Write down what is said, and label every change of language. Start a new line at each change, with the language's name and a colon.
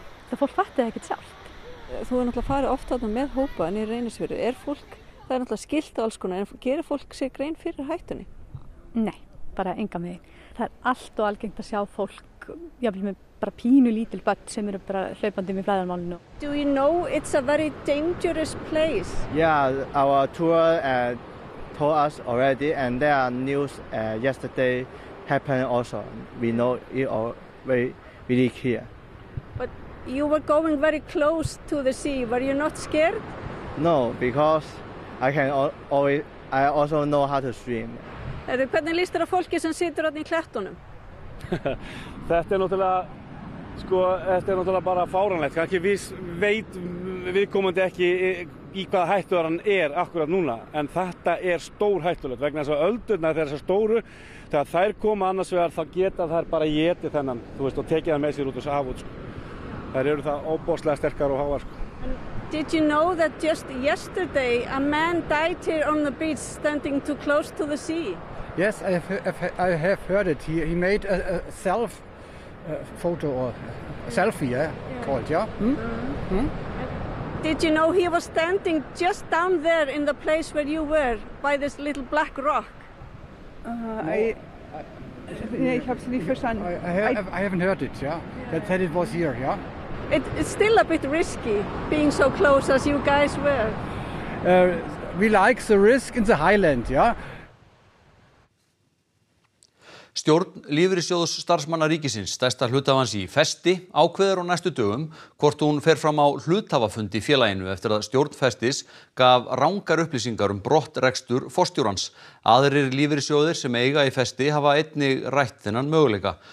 Icelandic: Það fólk fattið ekkert sjálft. Þú er náttúrulega farið oft þarna með hópa en í Reynisfjöru. Fólk, það er náttúrulega skilt á alls konar, en gerir fólk sér grein fyrir hættunni? Nei, bara enga megin. Það er allt og algengt að sjá fólk, jafnvel með bara pínu lítil börn sem eru bara hlaupandi með flæðarmálinu.
English: Do you know it's a very dangerous place? Yeah, our tour told us already and there are news yesterday happened also. We know it all very, really clear. But you were going very close to the sea. Were you not scared? No, because I also know how to swim.
Icelandic: Hvernig líst þér að fólki sem situr þarna í klettunum? Þetta er náttúrulega bara fáránlegt. Kannski veit viðkomandi ekki í hvaða hættu hann akkurat núna, en þetta stór hættulegt vegna þess að öldurnar þegar þessar stóru þegar þær koma annars vegar þá geta þær bara étið þennan, þú veist, og tekið það með sér út og haf út. Þær eru það óboðslega sterkar og háar.
English: Did you know that just yesterday a man died here on the beach standing too close to the sea? Yes, I have heard it. He made a self photo or selfie, called, yeah. Mm? Mm-hmm. Mm? Did you know he was standing just down there in the place where you were by this little black rock? I haven't heard it, yeah. That it was here, yeah. It's still a bit risky being so close as you guys were. We like the risk in the highland, yeah.
Icelandic: Stjórn Lífeyrissjóðs starfsmanna ríkisins, stærsta hluthafans í festi, ákveður á næstu dögum hvort hún fer fram á hluthafafund í félaginu eftir að stjórn festis gaf rangar upplýsingar brottrekstur forstjórans. Aðrir lífeyrissjóðir sem eiga í festi hafa einnig rætt þennan möguleika.